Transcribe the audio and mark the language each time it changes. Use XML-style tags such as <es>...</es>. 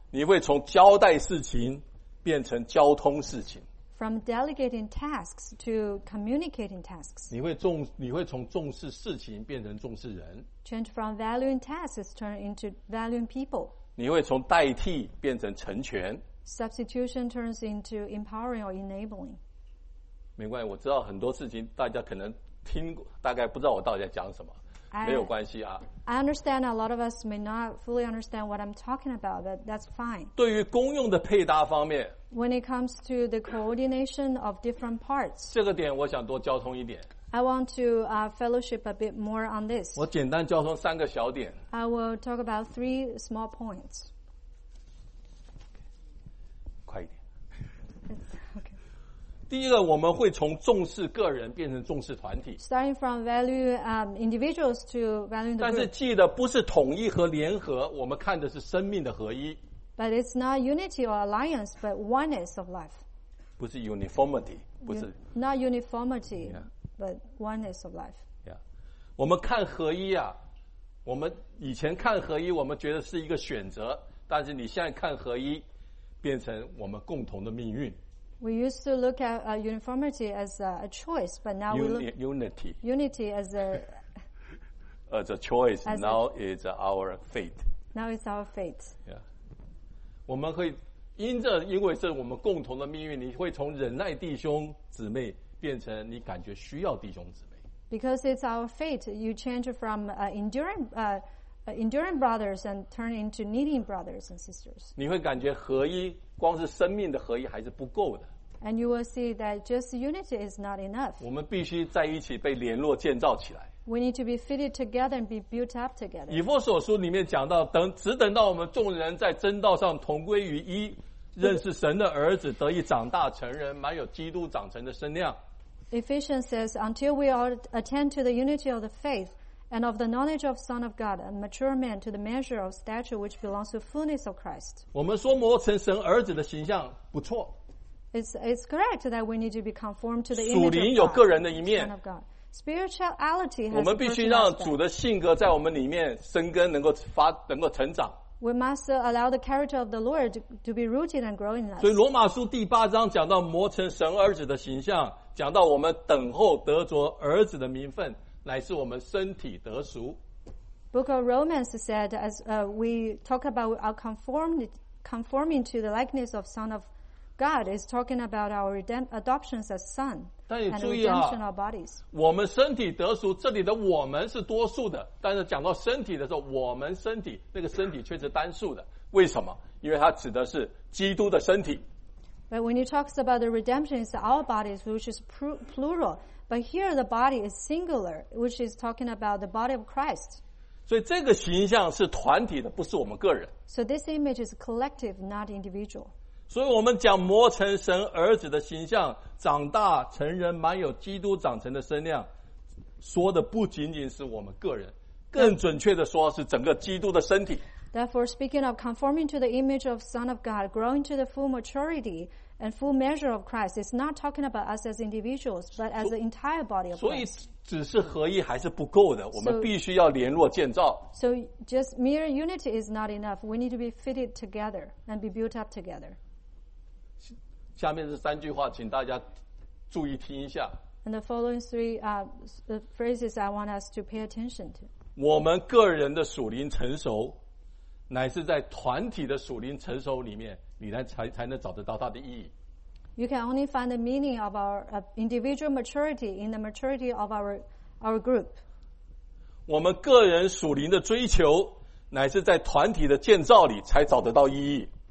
<zh>你会从交代事情变成交通事情。</zh> <en>From delegating tasks to communicating tasks.</en> <zh>你会从重视事情变成重视人。</zh> <en>Change from valuing tasks turn into valuing people.</en> <zh>你会从代替变成成全。</zh> <en>Substitution turns into empowering or enabling.</en> <zh>没关系，我知道很多事情大家可能听过，大概不知道我到底在讲什么。没有关系啊。</zh> <en>I understand a lot of us may not fully understand what I'm talking about, but that's fine.</en> <zh>对于功用的配搭方面</zh> <en>，When it comes to the coordination of different parts,</en> <zh>这个点我想多交通一点。</zh> <en>I want to fellowship a bit more on this.</en> <zh>我简单交通三个小点。</zh> <en>I will talk about 3 small points.</en> <zh>快一点。</zh> <en>Okay.</en> <zh>第一个，我们会从重视个人变成重视团体。</zh> <en>Starting from value individuals to value the group.</en> <zh>但是记得不是统一和联合，我们看的是生命的合一。</zh> <en>But it's not unity or alliance, but oneness of life.</en> <zh>不是 uniformity, 不是。</zh> <en>Not uniformity, but oneness of life. Yeah.</en> <zh>我们看合一啊，我们以前看合一，我们觉得是一个选择，但是你现在看合一，变成我们共同的命运。</zh> <en>We used to look at uniformity as a choice, but now unity as a as a choice. As now it's our fate. Now it's our fate.</en> <zh>Yeah, 我们会。因着因为是我们共同的命运，你会从忍耐弟兄姊妹变成你感觉需要弟兄姊妹。</zh> <en>Because it's our fate, you change from enduring brothers and turn into needing brothers and sisters.</en> <zh>你会感觉合一，光是生命的合一还是不够的。</zh> <en>And you will see that just unity is not enough.</en> <zh>我们必须在一起被联络建造起来。</zh> <en>We need to be fitted together and be built up together.</en> <zh>以弗所书里面讲到，只等到我们众人在真道上同归于一，认识神的儿子，得以长大成人，满有基督长成的身量。</zh> <en>Ephesians says, until we all attend to the unity of the faith and of the knowledge of Son of God, a mature man to the measure of stature which belongs to fullness of Christ.</en> <zh>我们说磨成神儿子的形象不错。</zh> <en>It's correct that we need to be conformed to the image of God.</en> <zh>属灵有个人的一面。</zh> <en>Spirituality has</en> <zh>我们必须让主的性格在我们里面生根，能够成长。</zh> <en>We must allow the character of the Lord to be rooted and grow in us.</en> <zh>所以罗马书第八章讲到磨成神儿子的形象，讲到我们等候得着儿子的名分，乃是我们身体得赎。</zh> <en>Book of Romans said as we talk about our conforming to the likeness of Son of God is talking about our adoption as son.</en> <zh>但你注意啊</zh> <en>redemption of bodies.</en> <zh>我们身体得赎，这里的我们是多数的，但是讲到身体的时候，我们身体那个身体却是单数的。为什么？因为它指的是基督的身体。</zh> <en>But when he talks about the redemption, it's our bodies, which is plural. But here the body is singular, which is talking about the body of Christ.</en> <zh>所以这个形象是团体的，不是我们个人。</zh> <en>So this image is collective, not individual.</en> <zh>所以我们讲磨成神儿子的形象，长大成人，满有基督长成的身量，说的不仅仅是我们个人，更准确的说是整个基督的身体。</zh> <en>Therefore, speaking of conforming to the image of Son of God, growing to the full maturity and full measure of Christ, it's not talking about us as individuals, but as the entire body of Christ.</en> <zh>所以只是合一还是不够的，我们必须要联络建造。</zh> <en>So just mere unity is not enough. We need to be fitted together and be built up together.</en> <zh>下面这三句话，请大家注意听一下。</zh> <en>And the following three phrases I want us to pay attention to.</en> <zh>我们个人的属灵成熟。乃是在团体的属灵成熟里面，你才能找得到它的意义。</zh> <en>You can only find the meaning of our individual maturity in the maturity of our group.</en> <zh>我们个人属灵的追求，乃是在团体的建造里才找得到意义。</zh>